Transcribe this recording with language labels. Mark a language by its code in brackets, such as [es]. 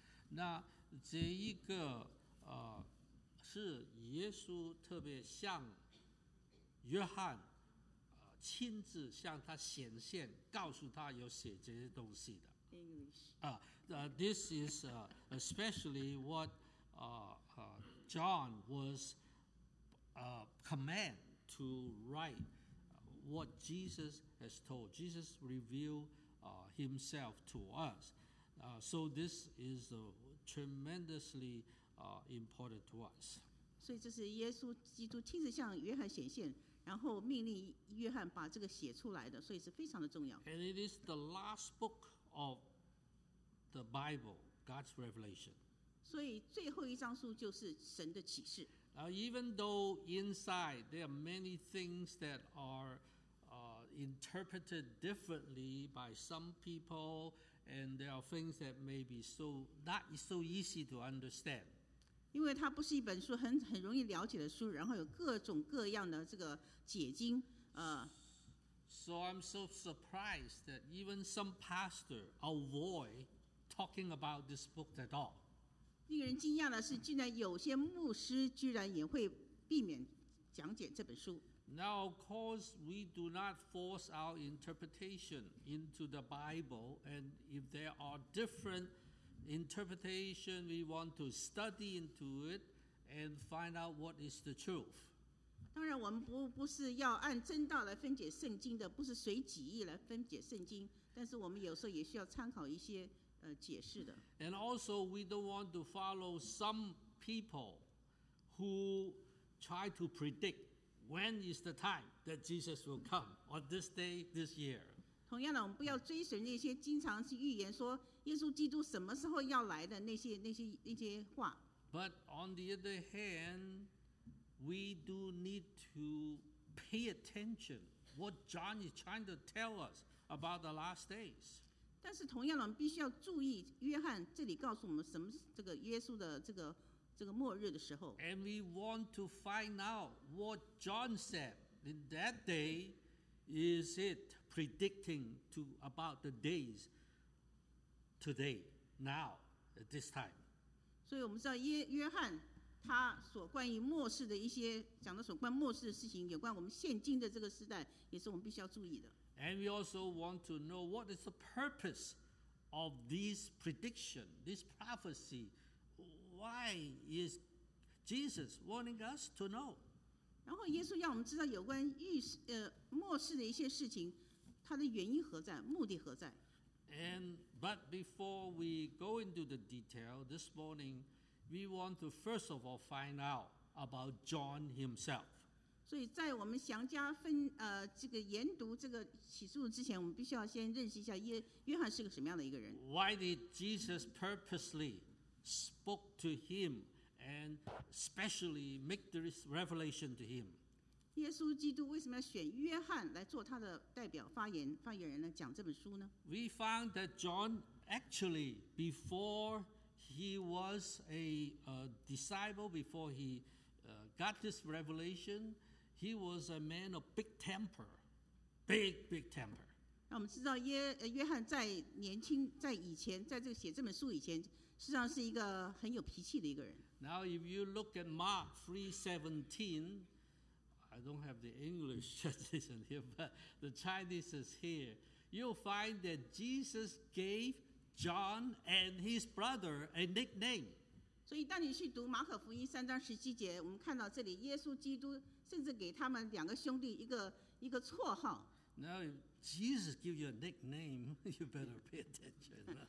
[zh] 那这一个、是耶稣特别向约翰、亲自向他显现，告诉他有写这些东西的。 [en] English、 This is、especially what、John wascommand to write what Jesus has told. Jesus revealed、himself to us.、so this is、tremendously、important to us. [zh] 所以这是耶稣基督亲自向约翰显现，然后命令约翰把这个写出来的，所以是非常的重要。 [en] And it is the last book of the Bible, God's revelation. [zh] 所以最后一章书就是神的启示。 [en] Now, even though inside there are many things that are、interpreted differently by some people, and there are things that may be so not so easy to understand. [zh] 因为它不是一本书 很容易了解的书，然后有各种各样的这个解经、 [en] So I'm so surprised that even some pastor avoid talking about this book at all. [zh] 令人惊讶的是，竟然有些牧师居然也会避免讲解这本书。 [en] Now, of course, we do not force our interpretation into the Bible, and if there are different interpretation, we want to study into it and find out what is the truth. [zh] 当然，我们 不是要按正道来分解圣经的，不是随己意来分解圣经，但是我们有时候也需要参考一些。 [en] And also, we don't want to follow some people who try to predict when is the time that Jesus will come on this day, this year. [zh] 同样的，我们不要追随那些经常是预言说耶稣基督什么时候要来的那些话。 [en] But on the other hand, we do need to pay attention what John is trying to tell us about the last days. [zh] 但是同样的，我们必须要注意约翰这里告诉我们什么这个耶稣的这个末日的时候。 [en] And we want to find out what John said in that day. Is it predicting to about the days today, now, at this time? [zh] 所以我们知道约翰他所关于末世的一些讲的所关末世的事情，有关我们现今的这个时代，也是我们必须要注意的。 [en] And we also want to know what is the purpose of this prediction, this prophecy. Why is Jesus wanting us to know? [zh] 然后耶稣要我们知道有关末世的一些事情，它的原因何在，目的何在。 [en] And but before we go into the detail this morning, we want to first of all find out about John himself. [zh] 所以在我们详加分这个研读这个启示录之前，我们必须要先认识一下约翰是个什么样的一个人。 [en] Why did Jesus purposely spoke to him and specially make this revelation to him? [zh] 耶稣基督为什么要选约翰来做他的代表发言人呢？讲这本书呢 [en] ？We found that John actually before he was a disciple before he got this revelation. He was a man of big temper, big temper. [zh] 那我们知道约翰在年轻在以前在这个写这本书以前，实际上是一个很有脾气的一个人。 [en] Now if you look at Mark 3:17, I don't have the English translation here, but the Chinese is here. You'll find that Jesus gave John and his brother a nickname. [zh] 所以当你去读马可福音三章十七节，我们看到这里耶稣基督甚至给他们两个兄弟一个绰号。 [en] Now if Jesus gives you a nickname, you better pay attention.